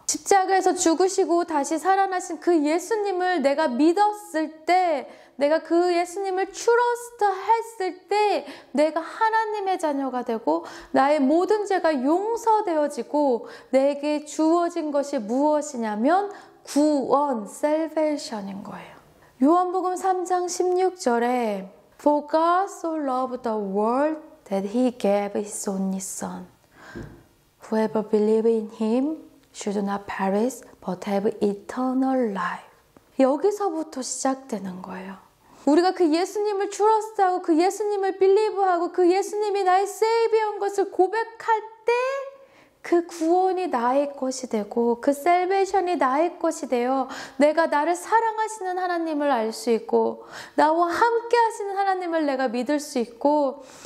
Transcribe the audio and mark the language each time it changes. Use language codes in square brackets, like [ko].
[ko] 십자가에서 죽으시고 다시 살아나신 그 예수님을 내가 믿었을 때, 내가 그 예수님을 트러스트 했을 때 내가 하나님의 자녀가 되고 나의 모든 죄가 용서되어지고 내게 주어진 것이 무엇이냐면 구원, 셀베이션인 거예요. 요한복음 3장 16절에 [en] For God so loved the world that he gave his only son. Whoever believes in him should not perish but have eternal life. [ko] 여기서부터 시작되는 거예요. 우리가 그 예수님을 트러스트하고 그 예수님을 빌리브하고 그 예수님이 나의 세이비어인 것을 고백할 때 그 구원이 나의 것이 되고 그 셀베이션이 나의 것이 되어 내가 나를 사랑하시는 하나님을 알 수 있고 나와 함께 하시는 하나님을 내가 믿을 수 있고